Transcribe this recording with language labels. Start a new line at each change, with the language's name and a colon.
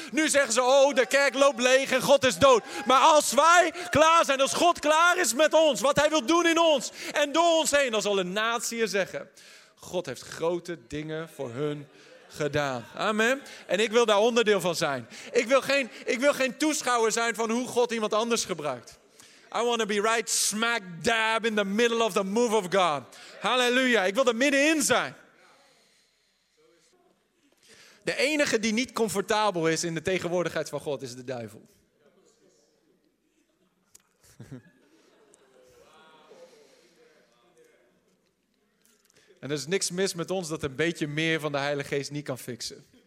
Dutch: Nu zeggen ze, oh, de kerk loopt leeg en God is dood. Maar als wij klaar zijn, als God klaar is met ons, wat hij wil doen in ons en door ons heen, dan zal een natie zeggen, God heeft grote dingen voor hun gedaan. Amen. En ik wil daar onderdeel van zijn. Ik wil geen toeschouwer zijn van hoe God iemand anders gebruikt.
English: I want to be right smack dab in the middle of the move of God.
Dutch: Halleluja. Ik wil er middenin zijn. De enige die niet comfortabel is in de tegenwoordigheid van God is de duivel. En er is niks mis met ons dat een beetje meer van de Heilige Geest niet kan fixen.